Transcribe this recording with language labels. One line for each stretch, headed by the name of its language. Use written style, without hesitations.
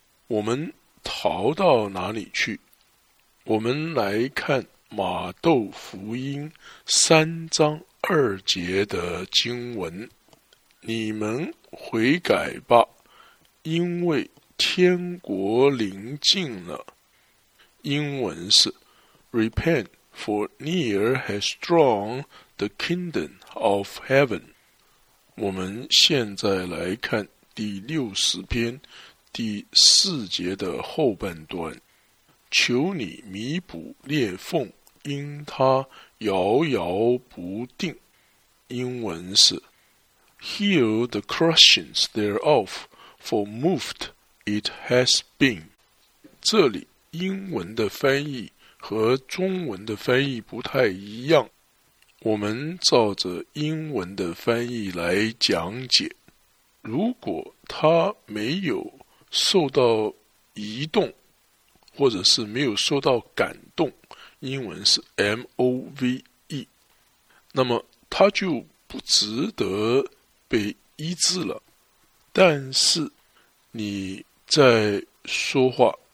Chinese: 我们逃到哪里去？我们来看马窦福音3:2的经文，你们悔改吧，因为天国临近了。英文是
English: Repent, for near has drawn the kingdom of heaven。
Chinese: 我们现在来看第60篇第4的后半段，求你弥补裂缝，因他摇摇不定。英文是
English: Heal the crushings thereof, for moved it has been。
Chinese: 这里英文的翻译和中文的翻译不太一样，我们照着英文的翻译来讲解。如果他没有受到移动，或者是没有受到感动，英文是 MOVE, 那么他就不值得被医治了。但是你在说话，